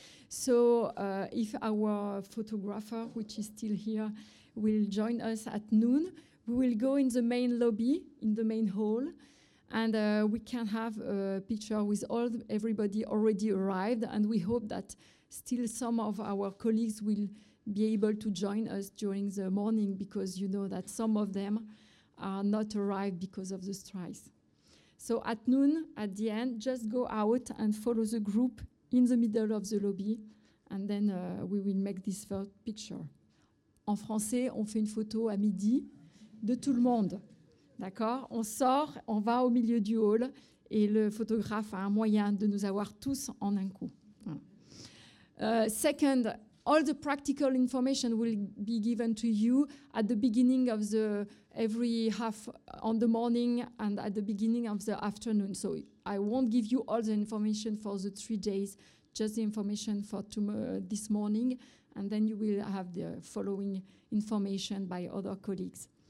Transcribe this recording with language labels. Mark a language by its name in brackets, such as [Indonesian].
[English] So if our photographer, which is still here, will join us at noon, we will go in the main lobby, in the main hall, and we can have a picture with all everybody already arrived, and we hope that still some of our colleagues will be able to join us during the morning, because you know that some of them are not arrived because of the strikes. So at noon, at the end, just go out and follow the group in the middle of the lobby, and then we will make this first picture. [French] En français, on fait une photo à midi de tout le monde. D'accord? On sort, on va au milieu du hall et le photographe a un moyen de nous avoir tous en un coup. [English] Second, all the practical information will be given to you at the beginning of the every half on the morning and at the beginning of the afternoon. So I won't give you all the information for the 3 days, just the information for this morning, and then you will have the following information by other colleagues.